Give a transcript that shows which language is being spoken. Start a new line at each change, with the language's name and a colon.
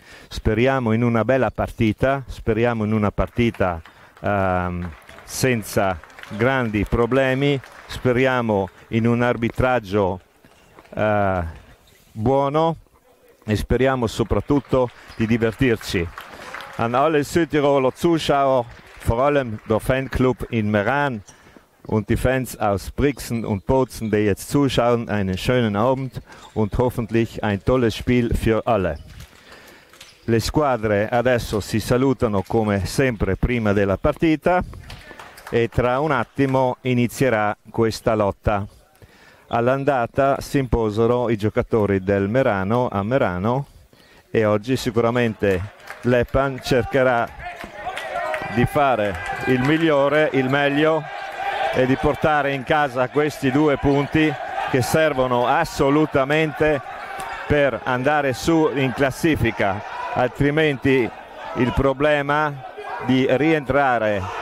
Italian: Speriamo in una bella partita, speriamo in una partita senza grandi problemi, speriamo in un arbitraggio buono e speriamo soprattutto di divertirci.
German: An alle Südtiroler Zuschauer, vor allem der Fanclub in Meran und die Fans aus Brixen und Bozen, die jetzt zuschauen, einen schönen Abend und hoffentlich ein tolles Spiel für alle.
Italian: Le squadre adesso si salutano come sempre prima della partita e tra un attimo inizierà questa lotta. All'andata si imposero i giocatori del Merano a Merano e oggi sicuramente l'Eppan cercherà di fare il migliore, il meglio e di portare in casa questi due punti che servono assolutamente per andare su in classifica, altrimenti il problema di rientrare